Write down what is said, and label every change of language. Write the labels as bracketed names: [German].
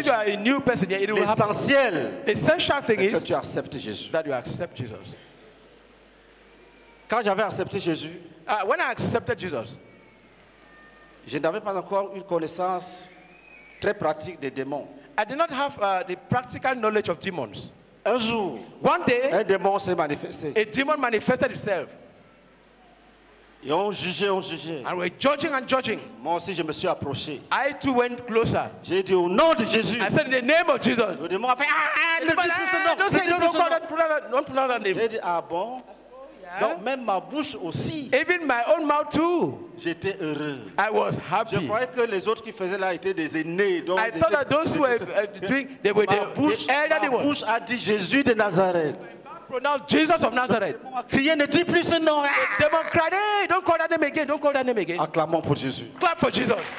[English] if you [French] agir. [English] Are a new person, yeah, it will happen. [French] L'essential [English] thing is [French] que tu acceptes Jésus. [English] That you accept Jesus. [French] Quand j'avais accepté Jésus, [English] when I accepted Jesus, [French] je n'avais pas encore une connaissance très pratique des démons. [English] I did not have the practical knowledge of demons. [French] Un jour, [English] one day, [French] un démon s'est manifesté. [English] A demon manifested itself. [French] Et on jugeait. [English] And we're judging. [French] Moi aussi, je me suis approché. [English] I too went closer. [French] J'ai dit au nom de Jésus. [English] I said in the name of Jesus. [French] Le démon a fait [English] Don't pronounce that name. [French] J'ai dit ah bon. Donc même ma bouche aussi. [English] Even my own mouth too. [French] J'étais heureux. [English] I was happy. [French] Je croyais que les autres qui faisaient là étaient des aînés. [English] I thought that those who were doing, they were their elderly ones. [French] Ma bouche a dit Jésus de Nazareth. [English] Pronounce Jesus of Nazareth. [French] Crier ne dit plus ce nom. [English] Demon cried, hey, don't call that name again. Don't call that name again. [French] Acclamons pour Jésus. [English] Clap for Jesus.